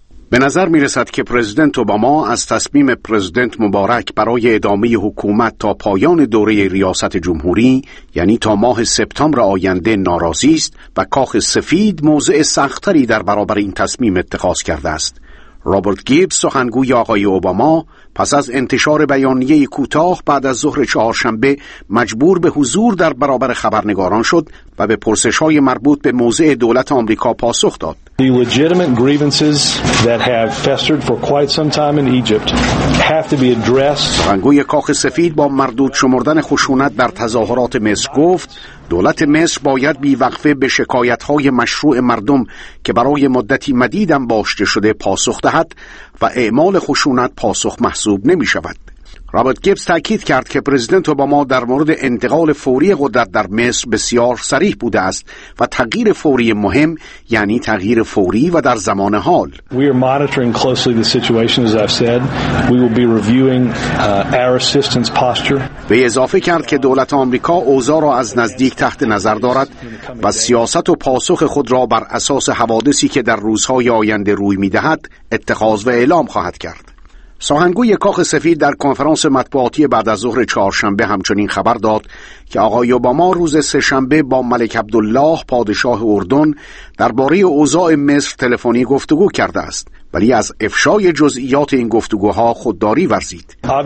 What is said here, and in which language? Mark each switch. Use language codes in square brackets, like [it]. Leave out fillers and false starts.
[fa] به نظر میرسد که پرزیدنت اوباما از تصمیم پرزیدنت مبارک برای ادامه حکومت تا پایان دوره ریاست جمهوری، یعنی تا ماه سپتامبر آینده، ناراضی است و کاخ سفید موضع سختری در برابر این تصمیم اتخاذ کرده است. رابرت گیبز، سخنگوی آقای اوباما، پس از انتشار بیانیه کوتاه بعد از ظهر چهارشنبه مجبور به حضور در برابر خبرنگاران شد و به پرسش‌های مربوط به موضع دولت آمریکا پاسخ داد. [en] The legitimate grievances that have festered for quite some time in Egypt have to be addressed. [fa] سخنگوی کاخ سفید با مردود شمردن خشونت در تظاهرات مصر گفت دولت مصر باید بی‌وقفه به شکایت‌های مشروع مردم که برای مدتی مدید هم باشته شده پاسخ دهد و اعمال خشونت پاسخ محسوب نمی‌شود. رابرت گیبز تأکید کرد که پرزیدنت اوباما در مورد انتقال فوری قدرت در مصر بسیار صریح بوده است و تغییر فوری مهم، یعنی تغییر فوری و در زمان حال. [en] We are monitoring closely the situation, as I've said. We will be reviewing our assistance posture. [fa] وی اضافه کرد که دولت آمریکا اوضاع را از نزدیک تحت نظر دارد و سیاست و پاسخ خود را بر اساس حوادثی که در روزهای آینده روی می‌دهد اتخاذ و اعلام خواهد کرد. سخنگوی کاخ سفید در کنفرانس مطبوعاتی بعد از ظهر چهارشنبه همچنین خبر داد که آقای اوباما روز سه‌شنبه با ملک عبدالله پادشاه اردن درباره اوضاع مصر تلفنی گفتگو کرده است، ولی از افشای جزئیات این گفتگوها خودداری ورزید.